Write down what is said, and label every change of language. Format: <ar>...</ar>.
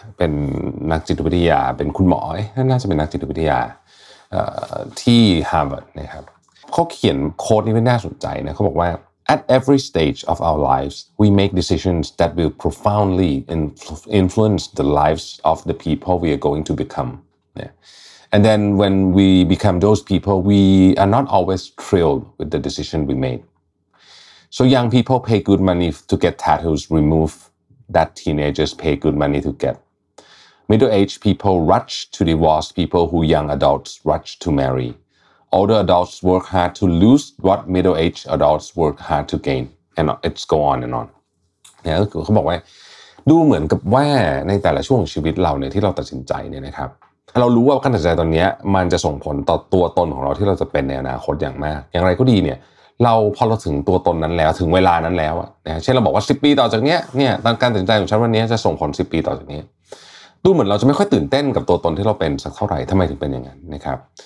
<th>นนักจิตวิทยาเป็นคุณหมอน่าจะเป็นนักจิตวิทยาที่ฮาร์วาร์ดนะครับเขาเขียนโค้ดนี้ไม่น่าสนใจนะเขาบอกว่า</th> <en>at every stage of our lives we make decisions that will profoundly influence the lives of the people we are going to become yeah. and then when we become those people we are not always thrilled with the decision we madeSo young people pay good money to get tattoos removed that teenagers pay good money to get. Middle-aged people rush to divorce people who young adults rush to marry. Older adults work hard to lose what middle-aged adults work hard to gain. And it's go on and on.</en> <th>เขาบอกว่าดูเหมือนกับว่าในแต่ละช่วงชีวิตเราเนี่ยที่เราตัดสินใจเนี่ยนะครับเรารู้ว่าการตัดสินใจตอนนี้มันจะส่งผลต่อตัวตนของเราที่เราจะเป็นในอนาคตอย่างมากอย่างไรก็ดีเนี่ยเราพอเราถึงตัวตนนั้นแล้วถึงเวลานั้นแล้วนะเช่นเราบอกว่า10ปีต่อจากนี้เนี่ยการตัดสินใจของฉันวันนี้จะส่งผล10ปีต่อจากนี้ดูเหมือนเราจะไม่ค่อยตื่นเต้นกับตัวตนที่เราเป็นสักเท่าไหร่ทำไมถึงเป็นอย่างนั้นนะครับ</th>